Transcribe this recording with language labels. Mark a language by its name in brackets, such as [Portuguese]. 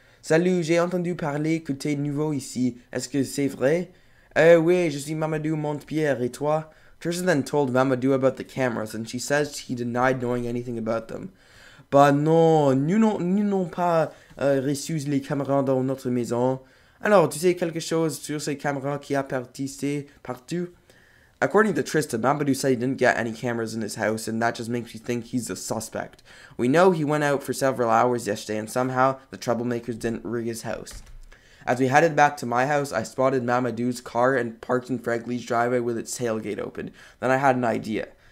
[French] Salut, j'ai entendu parler que t'es nouveau ici. Est-ce que c'est vrai? Oui, je suis Mamadou Montpierre, et toi? [English] Tristan then told Mamadou about the cameras, and she says he denied knowing anything about them. [French] Bah non, nous n'avons pas reçu les caméras dans notre maison. Alors, tu sais quelque chose sur ces caméras qui appartissaient partout? [English] According to Tristan, Mamadou said he didn't get any cameras in his house, and that just makes me think he's a suspect. We know he went out for several hours yesterday, and somehow the troublemakers didn't rig his house. As we headed back to my house, I spotted Mamadou's car and parked in Frank Lee's driveway with its tailgate open. Then I had an idea.